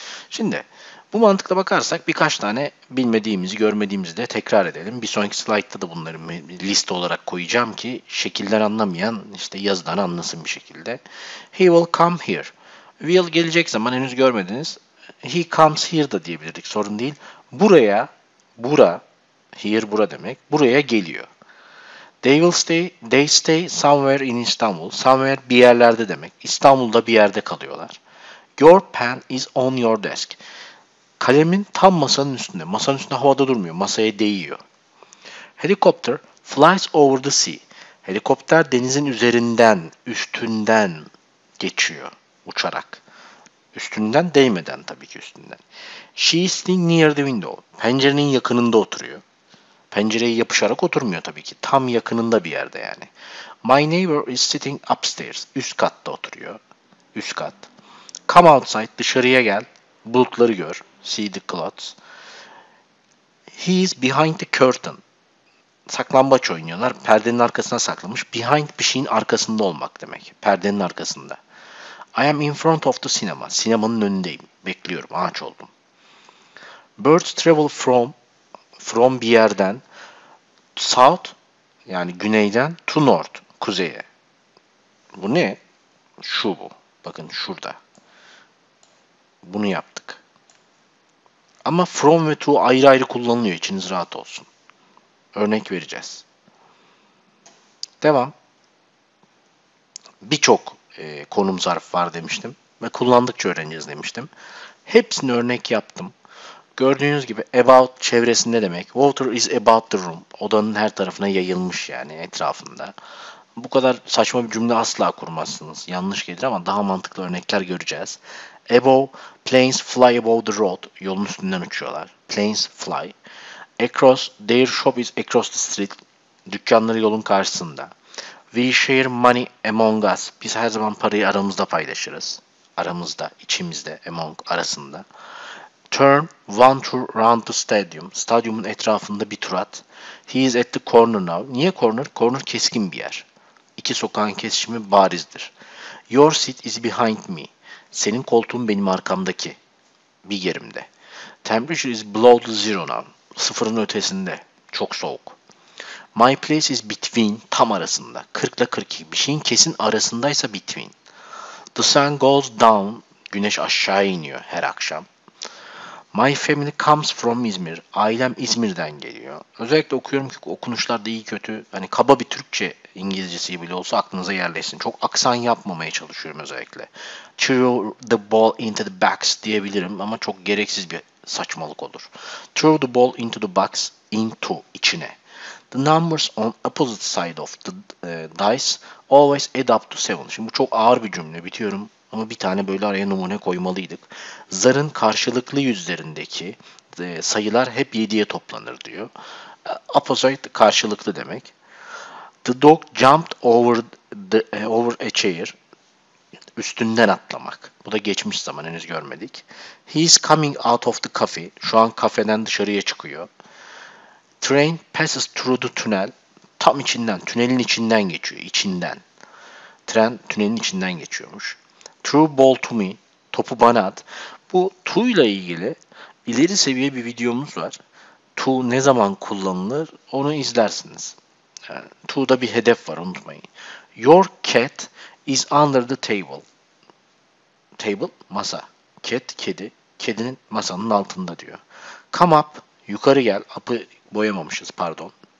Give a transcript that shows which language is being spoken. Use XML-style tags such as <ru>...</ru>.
<tr>Şimdi bu mantıkla bakarsak birkaç tane bilmediğimizi, görmediğimizi de tekrar edelim. Bir sonraki slide'da da bunları liste olarak koyacağım ki şekiller anlamayan işte yazıdan anlasın bir şekilde.</tr> <en>He will come here.</en> <tr>Will gelecek zaman henüz görmediniz.</tr> <en>He comes here</en> <tr>da diyebilirdik. Sorun değil. Bura, here bura demek, buraya geliyor.</tr> <en>They stay somewhere in Istanbul.</en> <tr>Somewhere bir yerlerde demek. İstanbul'da bir yerde kalıyorlar.</tr> <en>Your pen is on your desk.</en> <tr>Kalemin tam masanın üstünde. Masanın üstünde havada durmuyor. Masaya değiyor.</tr> <en>Helicopter flies over the sea.</en> <tr>Helikopter denizin üzerinden, üstünden geçiyor uçarak. Üstünden değmeden tabii ki üstünden.</tr> <en>She is sitting near the window.</en> <tr>Pencerenin yakınında oturuyor. Pencereye yapışarak oturmuyor tabii ki. Tam yakınında bir yerde yani.</tr> <en>My neighbor is sitting upstairs.</en> <tr>Üst katta oturuyor. Üst kat.</tr> <en>Come outside.</en> <tr>Dışarıya gel. Bulutları gör.</tr> <en>See the clouds. He is behind the curtain.</en> <tr>Saklambaç oynuyorlar. Perdenin arkasına saklamış. Behind bir şeyin arkasında olmak demek. Perdenin arkasında.</tr> <en>I am in front of the cinema.</en> <tr>Sinemanın önündeyim. Bekliyorum. Ağaç oldum.</tr> <en>Birds travel from</en> <tr>bir yerden south yani güneyden</tr> <en>to north</en> <tr>kuzeye. Bu ne? Şu bu. Bakın şurada. Bunu yaptık. Ama from ve to ayrı ayrı kullanılıyor. İçiniz rahat olsun. Örnek vereceğiz. Devam. Birçok konum zarf var demiştim ve kullandıkça öğreneceğiz demiştim. Hepsini örnek yaptım. Gördüğünüz gibi about çevresinde demek.</tr> <en>Water is about the room.</en> <tr>Odanın her tarafına yayılmış yani etrafında. Bu kadar saçma bir cümle asla kurmazsınız. Yanlış gelir ama daha mantıklı örnekler göreceğiz.</tr> <en>Above, planes fly above the road.</en> <tr>Yolun üstünden uçuyorlar.</tr> <en>Planes fly. Across, their shop is across the street.</en> <tr>Dükkanları yolun karşısında.</tr> <en>We share money among us.</en> <tr>Biz her zaman parayı aramızda paylaşırız. Aramızda, içimizde, among arasında.</tr> <en>Turn one tour round the stadium.</en> <tr>Stadyumun etrafında bir tur at.</tr> <en>He is at the corner now.</en> <tr>Niye corner? Corner keskin bir yer. İki sokağın kesişimi barizdir.</tr> <en>Your seat is behind me.</en> <tr>Senin koltuğun benim arkamdaki bir yerimde.</tr> <en>Temperature is below zero now.</en> <tr>Sıfırın ötesinde. Çok soğuk.</tr> <en>My place is between,</en> <tr>tam arasında. 40 ile 42. Bir şeyin kesin arasındaysa between.</tr> <en>The sun goes down.</en> <tr>Güneş aşağı iniyor her akşam.</tr> <en>My family comes from İzmir.</en> <tr>Ailem İzmir'den geliyor. Özellikle okuyorum ki okunuşlar da iyi kötü. Hani kaba bir Türkçe İngilizcesi bile olsa aklınıza yerleşsin. Çok aksan yapmamaya çalışıyorum özellikle.</tr> <en>Throw the ball into the box</en> <tr>diyebilirim ama çok gereksiz bir saçmalık olur.</tr> <en>Throw the ball into the box, into, içine. The numbers on opposite side of the dice always add up to 7.</en> <tr>Şimdi bu çok ağır bir cümle, bitiyorum. Ama bir tane böyle araya numune koymalıydık. Zarın karşılıklı yüzlerindeki sayılar hep 7'ye toplanır diyor. Opposite, karşılıklı demek.</tr> <en>The dog jumped over over a chair.</en> <tr>Üstünden atlamak. Bu da geçmiş zaman, henüz görmedik.</tr> <en>He is coming out of the cafe.</en> <tr>Şu an kafeden dışarıya çıkıyor.</tr> <en>Train passes through the tunnel.</en> <tr>Tam içinden, tünelin içinden geçiyor. İçinden. Tren tünelin içinden geçiyormuş.</tr> <en>Throw ball to me.</en> <tr>Topu bana at. Bu to ile ilgili ileri seviye bir videomuz var. To ne zaman kullanılır onu izlersiniz. Yani, to'da bir hedef var, unutmayın.</tr> <en>Your cat is under the table. Table, masa. Cat, kedi.</en> <tr>Kedinin masanın altında diyor.</tr> <en>Come up,</en> <tr>yukarı gel. Up'ı boyamamışız, pardon.</tr>